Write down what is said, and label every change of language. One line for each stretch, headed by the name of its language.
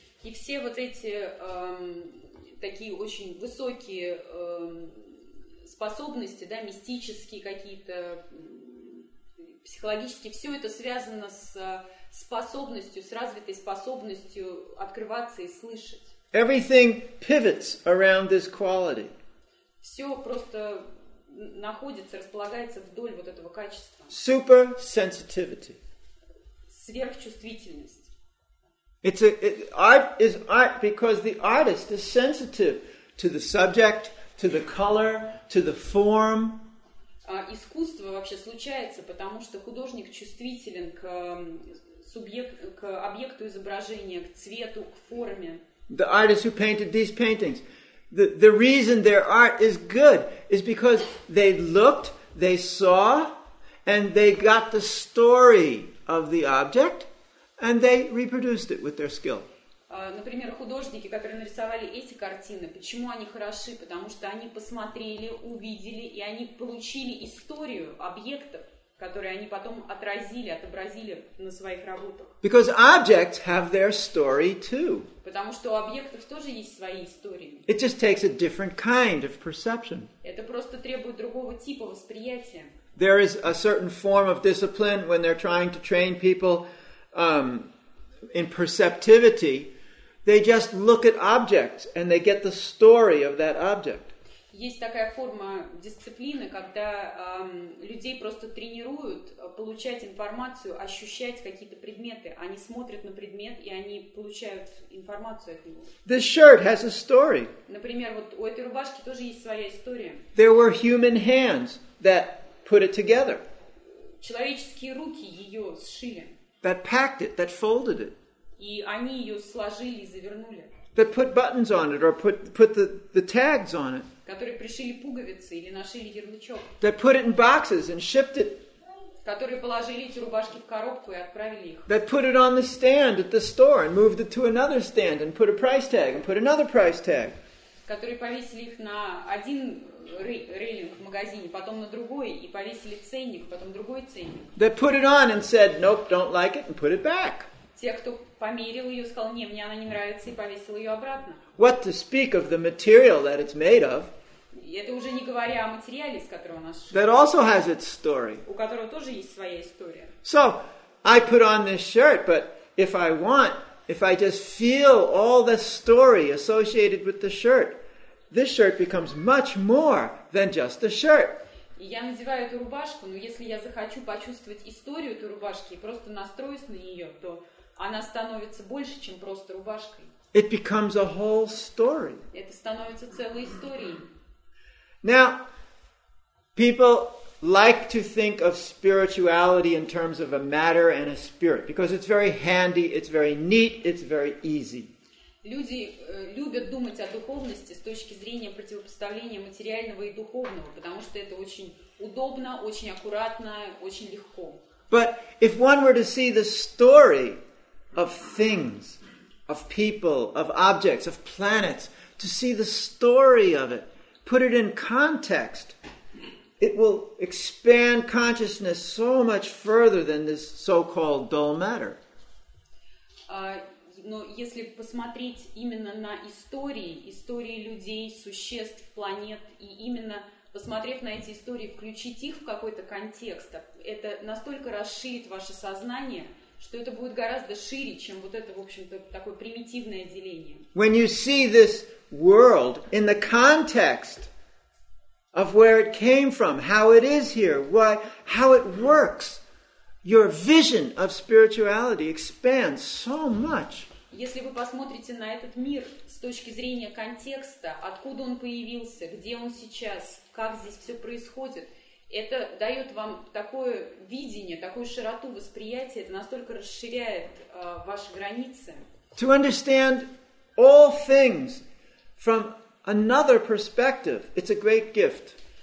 Russian: И все вот эти такие очень высокие способности, да, мистические какие-то, психологические, все это связано с способностью, с развитой способностью открываться и слышать.
English: Everything pivots around this quality.
Russian: Все просто находится, располагается вдоль вот этого качества.
English: Super sensitivity.
Russian: Сверхчувствительность.
English: Art is art because the artist is sensitive to the subject, to the color, to the form.
Russian: Искусство вообще случается, потому что художник чувствителен к к объекту изображения, к цвету, к форме.
English: The artist who painted these paintings, the reason their art is good is because they looked, they saw, and they got the story of the object. And they reproduced it with their skill.
Russian: Например, художники, которые нарисовали эти картины, почему они хороши? Потому что они посмотрели, увидели, и они получили историю объектов, которые они потом отразили, отобразили на своих работах.
English: Because objects have their story too.
Russian: Потому что у объектов тоже есть свои истории.
English: It just takes a different kind of perception.
Russian: Это просто требует другого типа восприятия.
English: There is a certain form of discipline when they're trying to train people in perceptivity, they just look at objects and they get the story of that object.
Russian: Есть такая форма дисциплины, когда людей просто тренируют получать информацию, ощущать какие-то предметы. Они смотрят на предмет и они получают информацию от него.
English: This shirt has a story.
Russian: Например, вот у этой рубашки тоже есть своя история.
English: There were human hands that put it together.
Russian: Человеческие руки ее сшили.
English: That packed it, that folded it.
Russian: И они ее сложили и завернули.
English: That put buttons on it or put the tags on it.
Russian: Которые пришили пуговицы или нашили ярлычок.
English: That put it in boxes and shipped it.
Russian: Которые положили эти рубашки в коробку и отправили их.
English: That put it on the stand at the store and moved it to another stand and put a price tag and put another price tag.
Russian: Которые повесили их на один рейлинг в магазине, потом на другой, и повесили ценник, потом другой ценник.
English: They put it on and said, nope, don't like it, and put it back.
Russian: Те, кто померил ее, сказал, не, мне она не нравится, и повесил ее обратно.
English: What to speak of the material that it's made of.
Russian: Это уже не говоря о материале, из которого она сшита.
English: That also has its story.
Russian: У которого тоже есть своя история.
English: So, I put on this shirt, but if I want, if I just feel all the story associated with the shirt, this shirt becomes much more than just a shirt.
Russian: Я надеваю эту рубашку, но если я захочу почувствовать историю этой рубашки и просто настроюсь на нее, то она становится больше, чем просто рубашкой.
English: It becomes a whole story.
Russian: Это становится целой историей.
English: Now, people like to think of spirituality in terms of a matter and a spirit, because it's very handy, it's very neat, it's very easy.
Russian: Люди любят думать о духовности с точки зрения противопоставления материального и духовного, потому что это очень удобно, очень аккуратно, очень легко.
English: But if one were to see the story of things, of people, of objects, of planets, to see the story of it, put it in context, it will expand consciousness so much further than this so-called dull matter.
Russian: Но если посмотреть именно на истории, истории людей, существ, планет, и именно посмотрев на эти истории, включить их в какой-то контекст, это настолько расширит ваше сознание, что это будет гораздо шире, чем вот это, в общем-то, такое примитивное деление.
English: When you see this world in the context of where it came from, how it is here, why, how it works, your vision of spirituality expands so much.
Russian: Если вы посмотрите на этот мир с точки зрения контекста, откуда он появился, где он сейчас, как здесь все происходит, это дает вам такое видение, такую широту восприятия, это настолько расширяет ваши границы.
English: To understand all things from another perspective, it's a great gift.